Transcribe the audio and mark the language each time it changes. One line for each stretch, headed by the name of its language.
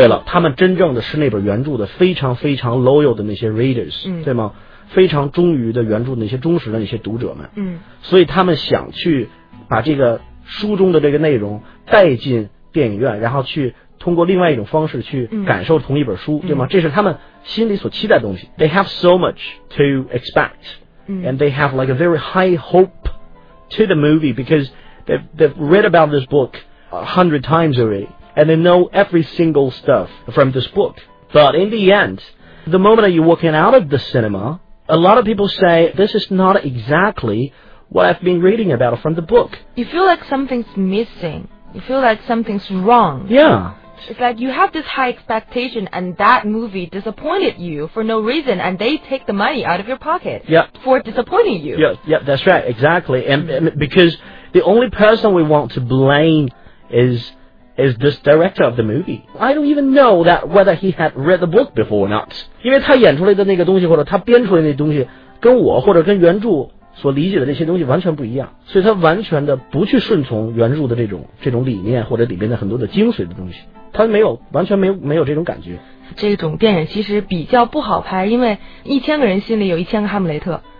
Chinese: 对了，他们真正的是那本原著的非常非常 loyal 的那些 readers, 对吗？非常忠于的原著的那些忠实的那些读者们。所以他们想去把这个书中的这个内容带进电影院，然后去通过另外一种方式去感受同一本书，对吗？这是他们心里所期待的东西。
English: They have so much to expect, and they have like a very high hope to the movie because they've read about this book 100 times already, and they know every single stuff from this book. But in the end, the moment that you're walking out of the cinema, a lot of people say, this is not exactly what I've been reading about from the book. You feel like something's missing. You feel like something's wrong. Yeah. It's like you have this high expectation and that movie disappointed you for no reason and they take the money out of your pocket for disappointing you. Yeah, that's right, exactly. And because the only person we want to blame is this director of the movie. I don't even know that whether he had read the book before or not.
Chinese: 因为他演出来的那个东西或者他编出来的那东西跟我或者跟原著所理解的那些东西完全不一样，所以他完全的不去顺从原著的这种理念或者里面的很多的精髓的东西，他没有完全没有这种感觉。这种电影其实比较不好拍，因为一千个人心里有一千个哈姆雷特